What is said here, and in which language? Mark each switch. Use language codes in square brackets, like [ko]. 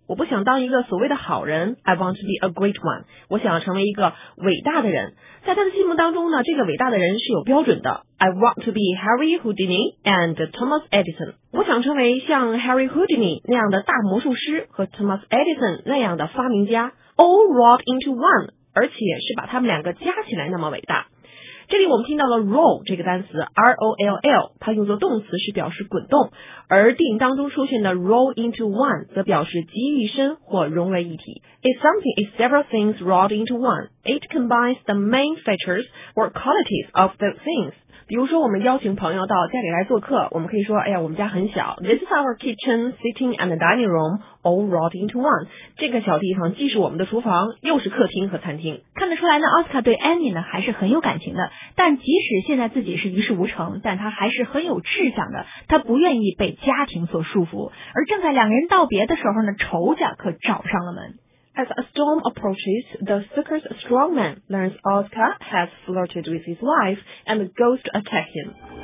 [zh] 我不想当一个所谓的好人。 [en] I want to be a great one. [zh] 我想成为一个伟大的人。在他的心目当中呢，这个伟大的人是有标准的。 [en] I want to be Harry Houdini and Thomas Edison. [zh] 我想成为像 Harry Houdini 那样的大魔术师和 Thomas Edison 那样的发明家。 [en] All rolled into one, [zh] 而且是把他们两个加起来那么伟大。这里我们听到了 roll 这个单词 ,R-O-L-L, 它用作动词是表示滚动，而电影当中出现的 roll into one 则表示集于一身或融为一体。 [en] If something is several things rolled into one, it combines the main features or qualities of those things. [zh] 比如说我们邀请朋友到家里来做客，我们可以说，哎呀，我们家很小。 [en] This is our kitchen, sitting and dining room, all rolled into one. [zh] 这个小地方既是我们的厨房，又是客厅和餐厅。看得出来呢，奥斯卡对 Annie 呢还是很有感情的，但即使现在自己是一事无成，但他还是很有志向的，他不愿意被家庭所束缚。而正在两人道别的时候呢，仇家可找上了门。 [en] As a storm approaches, the sucker's strongman learns Oscar has flirted with his wife and goes to attack him.